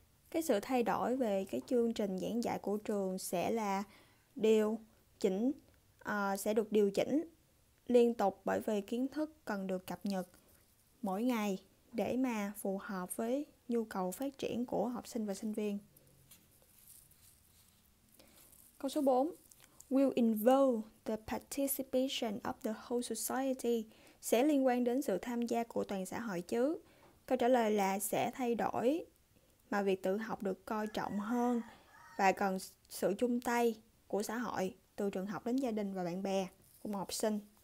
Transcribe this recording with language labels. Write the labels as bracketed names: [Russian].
[Vietnamese] Cái sự thay đổi về cái chương trình giảng dạy của trường sẽ là điều chỉnh sẽ được điều chỉnh liên tục bởi vì kiến thức cần được cập nhật mỗi ngày để mà phù hợp với nhu cầu phát triển của học sinh và sinh viên. Câu số 4. [English] Will involve the participation of the whole society. [Vietnamese] Sẽ liên quan đến sự tham gia của toàn xã hội chứ? Câu trả lời là sẽ thay đổi mà việc tự học được coi trọng hơn và cần sự chung tay của xã hội, từ trường học đến gia đình và bạn bè của một học sinh.